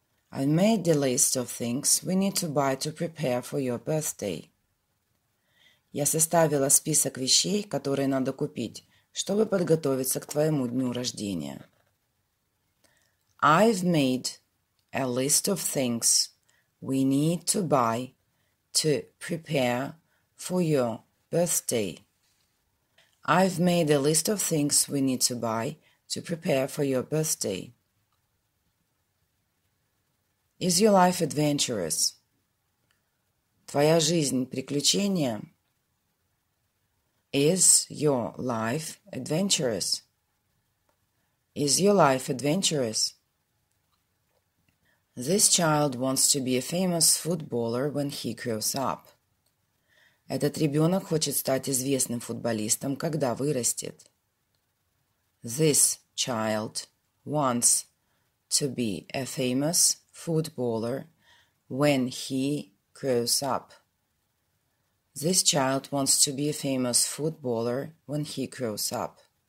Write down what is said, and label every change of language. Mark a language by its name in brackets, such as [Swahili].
[English] I've made the list of things we need to buy to prepare for your birthday. [Russian] Я составила список вещей, которые надо купить, чтобы подготовиться к твоему дню рождения. [English] I've made a list of things we need to buy to prepare for your birthday. I've made a list of things we need to buy to prepare for your birthday. Is your life adventurous? [Russian] Твоя жизнь – приключение? [English] Is your life adventurous? Is your life adventurous? This child wants to be a famous footballer when he grows up. [Russian] Этот ребенок хочет стать известным футболистом, когда вырастет. [English] This child wants to be a famous footballer when he grows up. This child wants to be a famous footballer when he grows up.